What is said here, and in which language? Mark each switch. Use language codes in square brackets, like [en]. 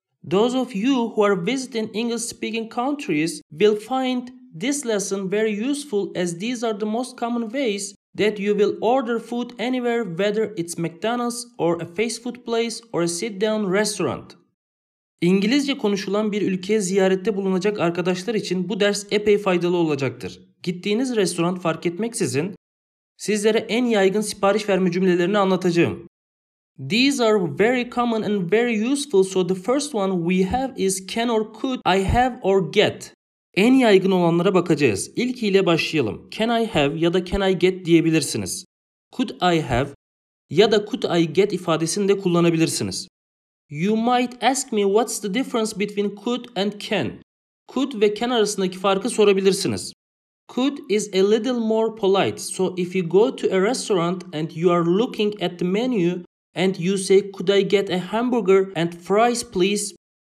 [en] Those of you who are visiting English-speaking countries will find this lesson very useful as these are the most common ways that you will order food anywhere, whether it's McDonald's or a fast food place or a sit-down restaurant. [tr] İngilizce konuşulan bir ülkeye ziyarette bulunacak arkadaşlar için bu ders epey faydalı olacaktır. Gittiğiniz restoran fark etmeksizin sizlere en yaygın sipariş verme cümlelerini anlatacağım. [en] These are very common and very useful, so the first one we have is can or could I have or get. [tr] En yaygın olanlara bakacağız. İlkiyle başlayalım. [en] Can I have [tr] ya da [en] can I get [tr] diyebilirsiniz. [en] Could I have [tr] ya da [en] could I get [tr] ifadesini de kullanabilirsiniz. [en] You might ask me what's the difference between could and can. [tr] Could ve can arasındaki farkı sorabilirsiniz. [en] Could is a little more polite. So if you go to a restaurant and you are looking at the menu and you say could I get a hamburger and fries please.